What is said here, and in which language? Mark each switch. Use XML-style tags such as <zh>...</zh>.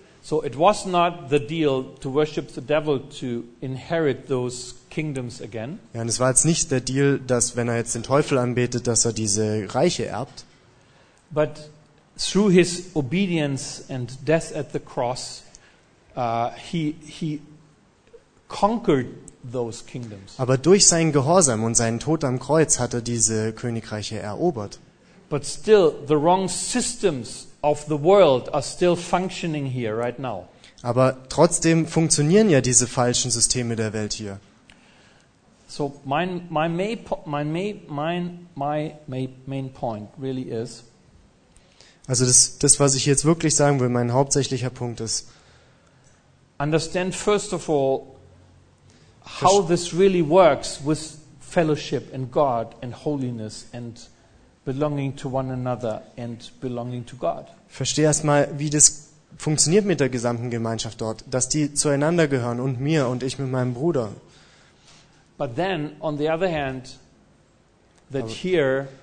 <en>So it was not the deal to worship the devil to inherit those kingdoms again.</en> <de>Ja, und es war jetzt nicht der Deal, dass wenn er jetzt den Teufel anbetet, dass er diese Reiche erbt.</de> <en>But through his obedience and death at the cross, he conquered those kingdoms.</en> <de>Aber durch seinen Gehorsam und seinen Tod am Kreuz hat er diese Königreiche erobert.</de> <en>But still the wrong systems of the world are still functioning here right now.</en> <de>Aber trotzdem funktionieren ja diese falschen Systeme der Welt hier.</de> <en>So my main point really is.</en> <de>Also das was ich jetzt wirklich sagen will, mein hauptsächlicher Punkt ist.</de> <en>Understand first of all how this really works with fellowship and God and holiness and belonging to one another and belonging to God.</en> <de>Verstehe erstmal, wie das funktioniert mit der gesamten Gemeinschaft dort, dass die zueinander gehören und mir und ich mit meinem Bruder.</de> <en>But then on the other hand that here</en>